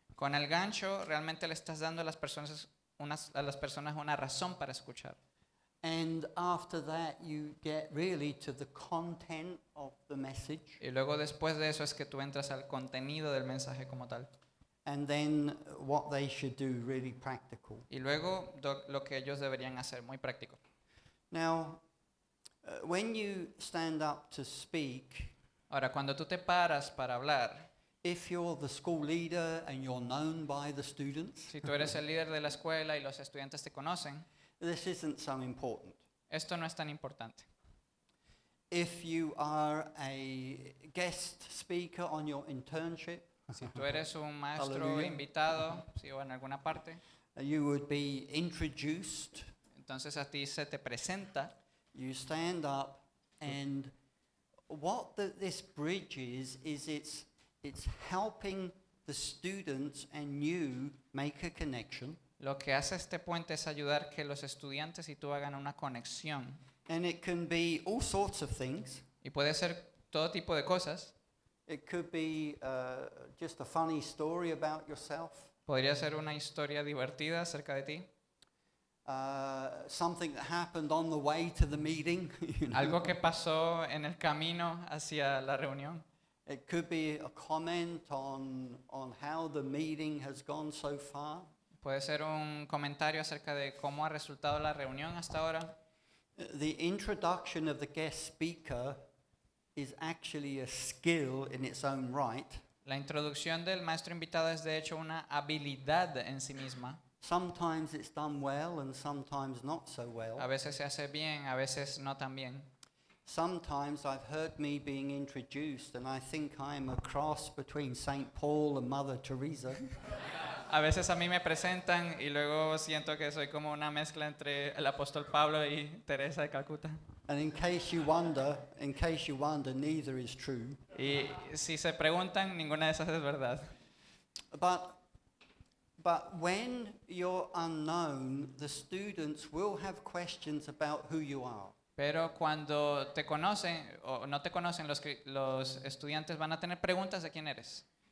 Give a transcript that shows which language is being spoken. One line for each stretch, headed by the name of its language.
Spanish: Con el gancho, realmente le estás dando a las personas una razón para escuchar.
English: And after that, you get really to the content of the message.
Spanish: Y luego después de eso es que tú entras al contenido del mensaje como tal.
English: And then what they should do really practical.
Spanish: Y luego lo que ellos deberían hacer muy práctico.
English: Now, when you stand up to speak.
Spanish: Ahora, cuando tú te paras para hablar,
English: if you're the school leader and you're known by the students,
Spanish: si tú eres el líder de la escuela y los estudiantes te conocen,
English: this isn't so important.
Spanish: Esto no es tan importante.
English: If you are a guest speaker on your internship,
Spanish: si tú eres un maestro invitado, si o en alguna parte,
English: you would be introduced.
Spanish: Entonces a ti se te presenta.
English: You stand up and what this bridge is it's helping the students and you make a connection.
Spanish: Lo que hace este puente es ayudar que los estudiantes y tú hagan una conexión.
English: And it can be all sorts of things.
Spanish: Y puede ser todo tipo de cosas.
English: It could be just a funny story about yourself.
Spanish: Podría ser una historia divertida acerca de ti.
English: Something that happened on the way to the meeting. You know?
Spanish: Algo que pasó en el camino hacia la reunión.
English: It could be a comment on how the meeting has gone so far.
Spanish: Puede ser un comentario acerca de cómo ha resultado la reunión hasta ahora.
English: The introduction of the guest speaker is actually a skill in its own right.
Spanish: La introducción del maestro invitado es de hecho una habilidad en sí misma.
English: Sometimes it's done well and sometimes not so well.
Spanish: A veces se hace bien, a veces no tan bien.
English: Sometimes I've heard me being introduced and I think I'm a cross between St. Paul and Mother Teresa.
Spanish: A veces a mí me presentan y luego siento que soy como una mezcla entre el apóstol Pablo y Teresa de Calcuta.
English: And in case you wonder, neither is true.
Spanish: Y si se preguntan, ninguna de esas es verdad.
English: But when you're unknown, the students will have questions about who you are.
Spanish: Pero cuando te conocen o no te conocen, los estudiantes van a tener preguntas de quién eres.